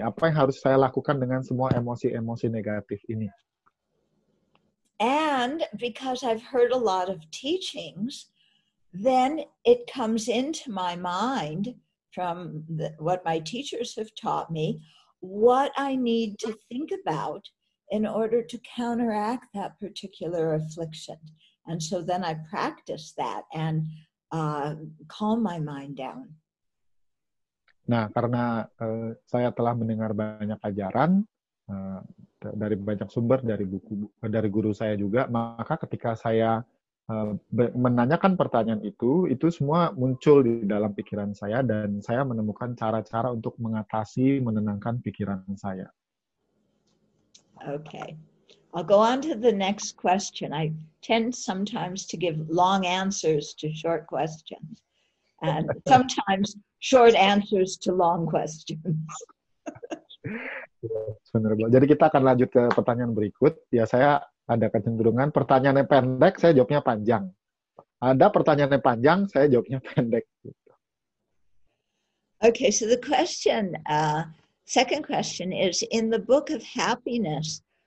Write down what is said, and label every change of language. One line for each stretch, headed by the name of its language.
Indonesian: Apa yang harus saya lakukan dengan semua emosi-emosi negatif ini?
English: And because I've heard a lot of teachings, then it comes into my mind from what my teachers have taught me, what I need to think about in order to counteract that particular affliction. And so then I practice that and calm my mind down.
Indonesian: Nah, karena saya telah mendengar banyak ajaran dari banyak sumber, dari buku, dari guru saya juga, maka ketika saya menanyakan pertanyaan itu semua muncul di dalam pikiran saya dan saya menemukan cara-cara untuk mengatasi, menenangkan pikiran saya.
English: Okay. I'll go on to the next question. I tend sometimes to give long answers to short questions and sometimes short answers to long questions.
Indonesian: Jadi kita akan lanjut ke pertanyaan berikut. Ya, saya ada kecenderungan pertanyaannya pendek, saya jawabnya panjang. Ada pertanyaannya panjang, saya jawabnya pendek.
English: Okay, so the question, second question is, in the Book of Happiness,